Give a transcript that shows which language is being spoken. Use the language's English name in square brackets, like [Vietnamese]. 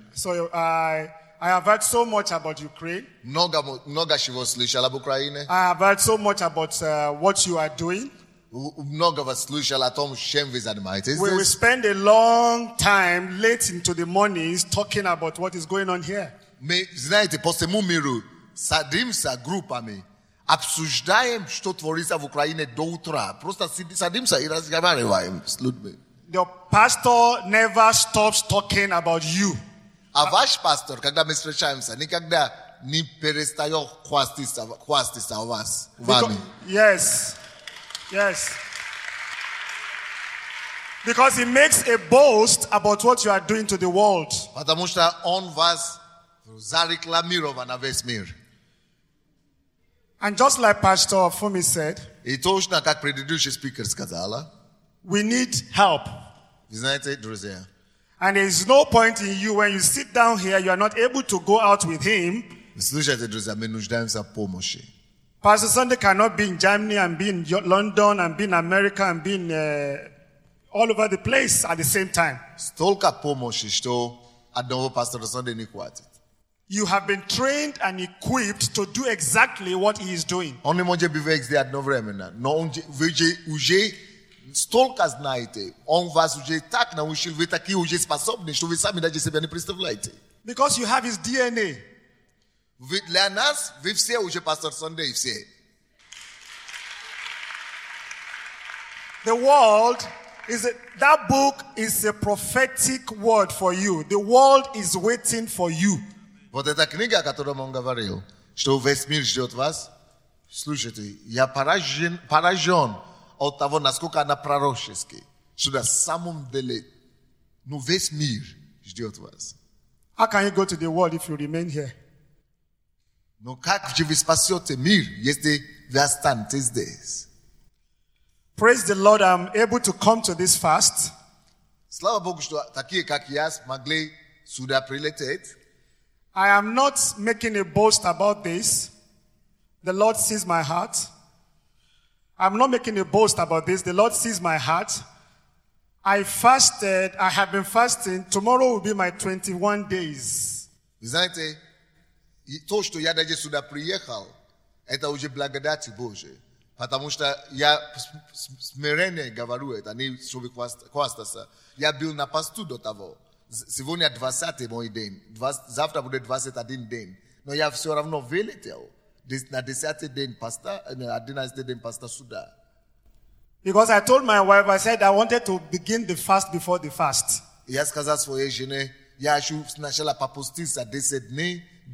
[English] So I have heard so much about Ukraine. Noga shivos lishala Ukraine. I have heard so much about what you are doing. We spend a long time late into the mornings talking about what is going on here. [Russian] Me знаете, после мумиру садимся группами, обсуждаем, что творится в Украине до утра. Просто садимся и разговариваем с людьми. [English] Your pastor never stops talking about you. [Russian] А ваш пастор, когда мы встречаемся, никогда не перестает хвастаться о вас, вами. [English] Yes. Yes. Because he makes a boast about what you are doing to the world. [Russian] Потому что он вас зарекламировал на весь мир. [English] And just like Pastor Fumi said, [Russian] и точно как предыдущий спикер сказала, [English] we need help. [Russian] Вы знаете, друзья, [English] and there is no point in you when you sit down here, you are not able to go out with him. [Russian] Слушайте, друзья, мы нуждаемся в помощи. [English] Pastor Sunday cannot be in Germany and be in London and be in America and be in all over the place at the same time. [Russian] Столько помощи, что одного пастора Sunday не хватит. [English] You have been trained and equipped to do exactly what he is doing. [Russian] Он не может быть везде одновременно, но он уже столько знает. Он вас уже так научил, вы такие уже способны, что вы сами даже себя не представляете. [English] Because you have his DNA. [Russian] Для нас, вы все уже пастор Сондей, все. [English] The world is that book is a prophetic word for you. The world is waiting for you. [Russian] Вот эта книга, о которой он говорил, что весь мир ждет вас. Слушайте, я поражен от того, насколько она пророческая, что на самом деле, ну, весь мир ждет вас. [English] How can you go to the world if you remain here? [Russian] Но как же вы спасете мир, если вы останетесь здесь? [English] Praise the Lord, I'm able to come to this fast. [Russian] Слава Богу, что такие, как я, смогли сюда прилететь. [English] I am not making a boast about this. The Lord sees my heart. I'm not making a boast about this. The Lord sees my heart. I fasted. I have been fasting. Tomorrow will be my 21 days. [Russian] Знаете, то, что я даже сюда приехал, это уже благодать Божия. Потому что я смиренно говорю это, не чтобы хвастаться. Я был на посту до того. Сегодня 20 мой день. Завтра будет 21 день. Но я все равно вылетел на 10 день поста, на 11 день поста сюда. [English] Because I told my wife, I said I wanted to begin the fast before the fast. [Russian] Я сказал своей жене, я хочу сначала попуститься 10 дней,